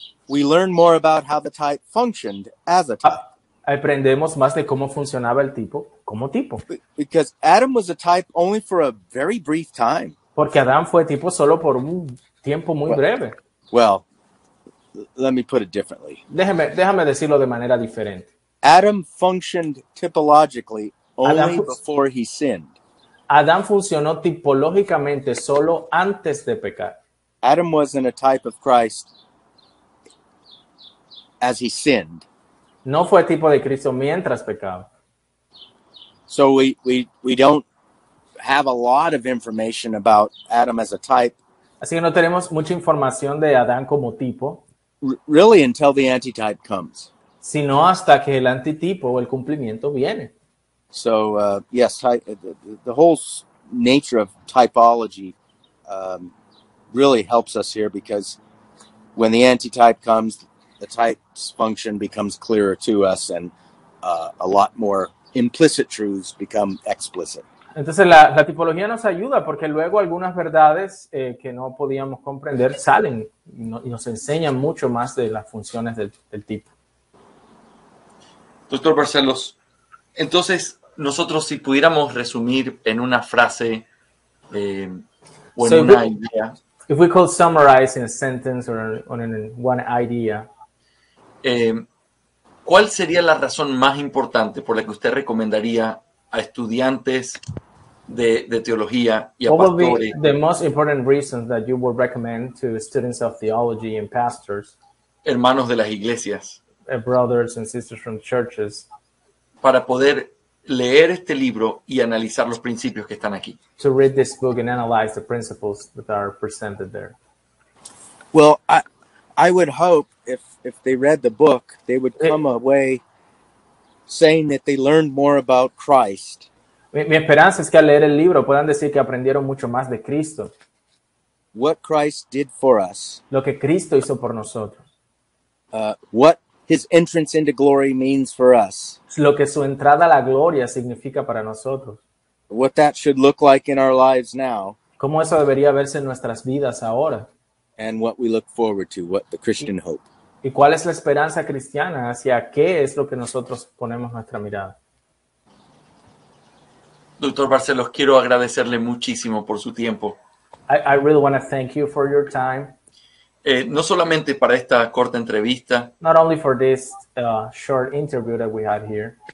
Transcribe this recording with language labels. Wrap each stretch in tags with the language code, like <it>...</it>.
<en>we learn more about how the type functioned as a type.</en> <es>Aprendemos más de cómo funcionaba el tipo como tipo.</es> <en>Because Adam was a type only for a very brief time.</en> <es>Porque Adán fue tipo solo por un tiempo muy breve.</es> <en>Well, let me put it differently.</en> <es>Déjame decirlo de manera diferente.</es> <en>Adam functioned typologically only before he sinned.</en> <es>Adán funcionó tipológicamente solo antes de pecar.</es> <en>Adam was in a type of Christ as he sinned.</en> <es>No fue tipo de Cristo mientras pecaba.</es> <en>So we don't have a lot of information about Adam as a type.</en> <es>Así que no tenemos mucha información de Adán como tipo.</es> <en>Really until the antitype comes.</en> <es>Sino hasta que el antitipo o el cumplimiento viene.</es> <en>So yes, the whole nature of typology really helps us here, because when the antitype comes, the type's function becomes clearer to us, and a lot more implicit truths become explicit.</en> <es>Entonces la tipología nos ayuda porque luego algunas verdades que no podíamos comprender salen y nos enseñan mucho más de las funciones del tipo. Doctor Barcellos, entonces nosotros si pudiéramos resumir en una frase idea.</es> <en>If we could summarize in a sentence or in one idea.</en> <es>¿Cuál sería la razón más importante por la que usted recomendaría a estudiantes de teología y a pastores?</es> <en>What would be the most important reasons that you would recommend to students of theology and pastors?</en> <es>Hermanos de las iglesias.</es> <en>Brothers and sisters from churches.</en> <es>Para poder leer este libro y analizar los principios que están aquí.</es> <en>To read this book and analyze the principles that are presented there. Well, I would hope if they read the book, they would come away saying that they learned more about Christ.</en> <es>Mi esperanza es que al leer el libro puedan decir que aprendieron mucho más de Cristo.</es> <en>What Christ did for us.</en> <es>Lo que Cristo hizo por nosotros.</es> <en>What his entrance into glory means for us.</en> <es>Lo que su entrada a la gloria significa para nosotros.</es> <en>What that should look like in our lives now.</en> <es>Cómo eso debería verse en nuestras vidas ahora.</es> <en>And what we look forward to, what the Christian hope.</en> <es>¿Y cuál es la esperanza cristiana? ¿Hacia qué es lo que nosotros ponemos nuestra mirada? Doctor Barcellos, quiero agradecerle muchísimo por su tiempo.</es> <en>I really want to thank you for your time.</en> <es>No solamente para esta corta entrevista.</es> <en>Not only for this short interview that we had here.</en>